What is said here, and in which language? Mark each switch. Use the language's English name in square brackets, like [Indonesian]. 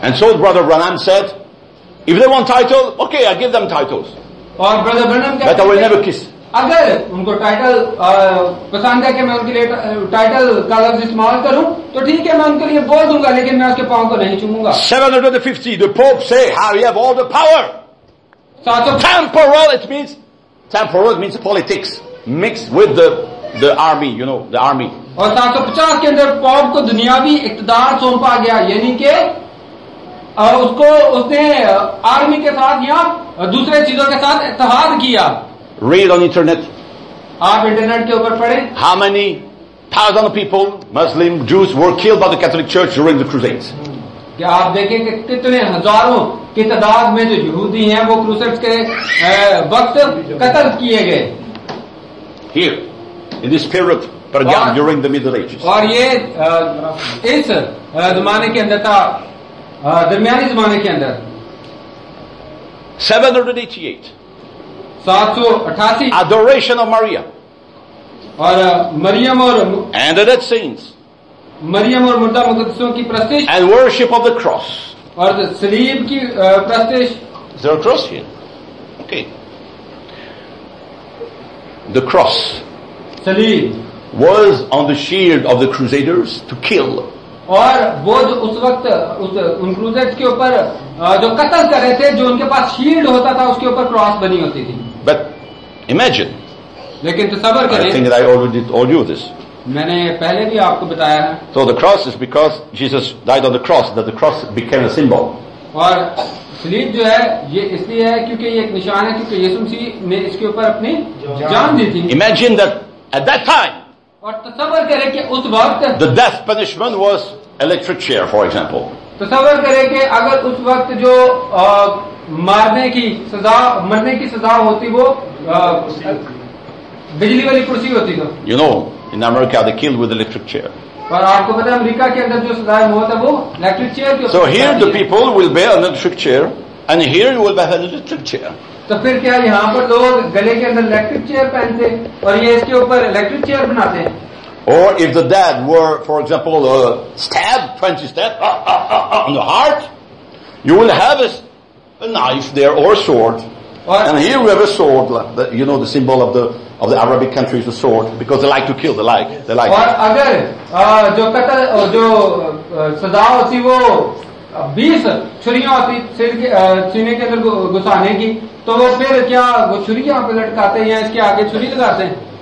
[English] And so brother Branham said, if they want title, okay, I give them titles. [Hindi] और brother Branham कहते हैं, [English] I will never kiss. [Hindi] अगर उनको title पसंद है कि मैं उनके लिए टाइटल का लफ्ज इस्तेमाल करूं तो ठीक है, मैं उनके लिए बोल दूंगा, लेकिन मैं उसके पांव को नहीं चूमूंगा. [English] 750, the Pope say, how you have all the power. Temporal means politics mixed with the army, you know, the army. [Hindi] और 750 के अंदर पॉप को दुनियावी इकतदार सौंपा गया, यानी कि उसको उसने आर्मी के साथ या दूसरे चीजों के साथ इत्तेहाद किया. [English] Read on internet. [Hindi] आप इंटरनेट के ऊपर पढ़ें. [English] How many thousand people, Muslim, Jews, were killed by the Catholic Church during the Crusades? [Hindi] क्या आप देखें कि कितने हजारों की तादाद में जो यहूदी हैं वो क्रूसेड्स के वक्त कत्ल किए गए. [English] Here, in this period, Pergamum, during the Middle Ages. [Hindi] और ये इस जमाने के अंदर था, दरमियानी जमाने के अंदर. [English] 788. [Hindi] 788. [English] Adoration of Maria. [Hindi] और मरियम और [English] and the dead saints. [Hindi] Maryam और मुर्दा मुकद्दसों की प्रतिष्ठा. [English] And worship of the cross. [Hindi] और सलीब की प्रतिष्ठा. [English] Is there a cross here? Okay. The cross. [Hindi] सलीब. [English] Was on the shield of the crusaders to kill. [Hindi] और वो जो उस वक्त उन क्रूसेड के ऊपर जो कत्ल कर रहे थे, जो उनके पास शील्ड होता था उसके ऊपर क्रॉस बनी होती थी. [English] But imagine. [Hindi] लेकिन तसव्वुर करें. [English] I think that I already told you this. [Hindi] मैंने पहले भी आपको बताया है. [English] So the cross is because Jesus died on the cross that the cross became a symbol. [Hindi] और सलीब जो है ये इसलिए है क्योंकि ये एक निशान है, क्योंकि यीशु मसीह ने इसके ऊपर अपनी जान दी थी. [English] Imagine that at that time. [Hindi] और तसव्वुर करें कि उस वक्त. [English] The death punishment was electric chair, for example. [Hindi] तसव्वुर करें कि अगर उस वक्त जो मरने की सजा होती वो बिजली वाली कुर्सी होती तो. [English] You know, in America they killed with electric chair. [Hindi] पर आपको पता है अमेरिका के अंदर जो सजा मौत है वो इलेक्ट्रिक चेयर की. [English] So here the people will bear an electric chair, and here you will bear an electric chair. [Hindi] तो फिर क्या यहाँ पर लोग गले के अंदर इलेक्ट्रिक चेयर पहनते और ये इसके ऊपर इलेक्ट्रिक चेयर बनाते हैं. [English] Or if the dead were, for example, stabbed, 20 stabs on the heart, you will have a knife there or a sword. And here we have a sword, you know, the symbol of the Arabic countries, the sword, because they like to kill, they like. [Hindi] और अगर जो कत्ल जो सजा होती वो 20 छुरियां होती सीने के अंदर घुसाने की, तो वो फिर क्या वो छुरियां पे लटकाते हैं या इसके आगे छुरी लगाते हैं.